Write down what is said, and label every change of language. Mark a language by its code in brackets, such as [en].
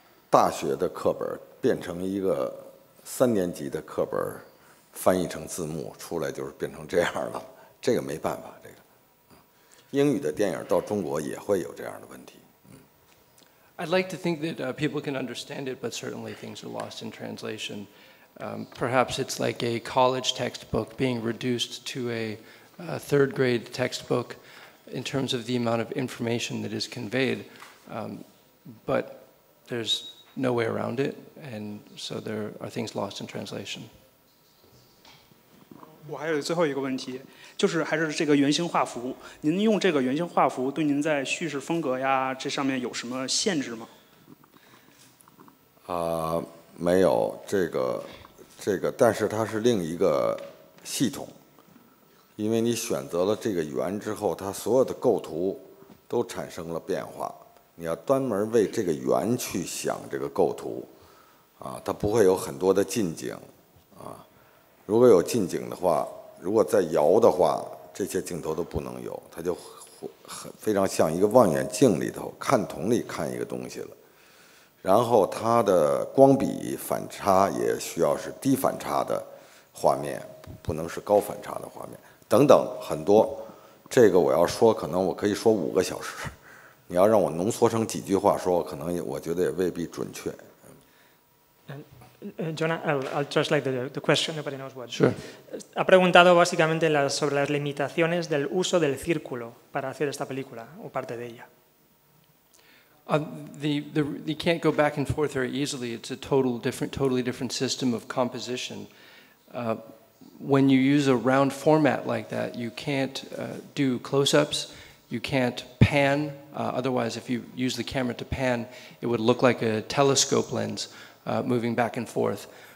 [zh] 大学的课本变成一个三年级的课本翻译成字幕出来就是变成这样了，这个没办法。这个英语的电影到中国也会有这样的问题。 [en] I'd like to think that people can understand it, but certainly things are lost in translation. Perhaps it's like a college textbook being reduced to a third grade textbook in terms of the amount of information that is conveyed. But there's no way around it, and so there are things lost in translation. [zh] 我还有最后一个问题，就是还是这个圆形画幅，您用这个圆形画幅对您在叙事风格呀这上面有什么限制吗？没有，这个但是它是另一个系统，因为你选择了这个圆之后，它所有的构图都产生了变化，你要专门为这个圆去想这个构图啊，它不会有很多的近景。如果有近景的话，如果再摇的话，这些镜头都不能有，它就非常像一个望远镜里头看筒里看一个东西了。然后它的光比反差也需要是低反差的画面，不能是高反差的画面等等很多。这个我要说可能我可以说五个小时，你要让我浓缩成几句话说，可能我觉得也未必准确。 [en] Jonah, I'll translate the question. Nobody knows what. Sure. [es] Ha preguntado básicamente sobre las limitaciones del uso del círculo para hacer esta película o parte de ella. [en] You can't go back and forth very easily. It's a totally different system of composition. when you use a round format like that, you can't do close-ups, you can't pan. Otherwise, if you use the camera to pan, it would look like a telescope lens moving back and forth.